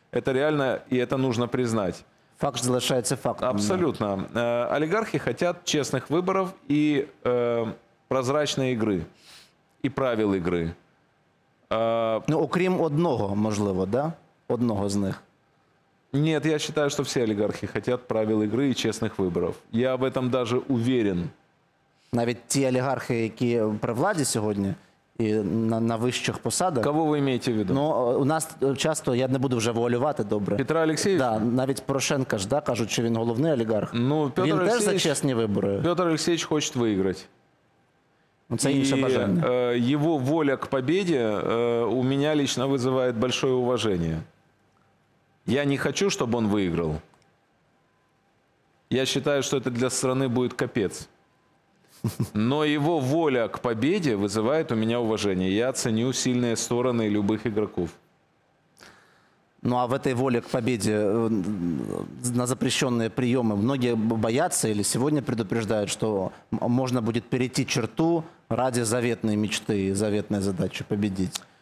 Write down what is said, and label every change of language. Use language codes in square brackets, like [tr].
[uk] Це реально, і це потрібно признати. Факт залишається фактом. Абсолютно. Олігархи хочуть чесних виборів і прозрачної гри. [ru] і правил игры. [uk] Ну, окрім одного, можливо, да? Одного з них. [ru] Нет, я считаю, что все олигархи хотят правил игры и честных выборов. Я в этом даже уверен. [uk] Навіть ті олігархи, які при владі сьогодні і на вищих посадах. Кого ви маєте в виду? Ну, у нас часто, я не буду вже волювати добре. Петра Олексійовича? Да, навіть Порошенка ж, да, кажуть, що він головний олігарх. Ну, Петр він Олексійович, теж за чесні вибори. Петр Олексійович хоче виграти. Ну, це інше бажання. І його воля к победі у мене лично викликає велике уваження. Я не хочу, щоб він виграв. Я вважаю, що це для країни буде капець. [ru] Но его воля к победе вызывает у меня уважение. Я ценю сильные стороны любых игроков. Ну а в этой воле к победе на запрещенные приемы многие боятся или сегодня предупреждают, что можно будет перейти черту ради заветной мечты, заветной задачи победить.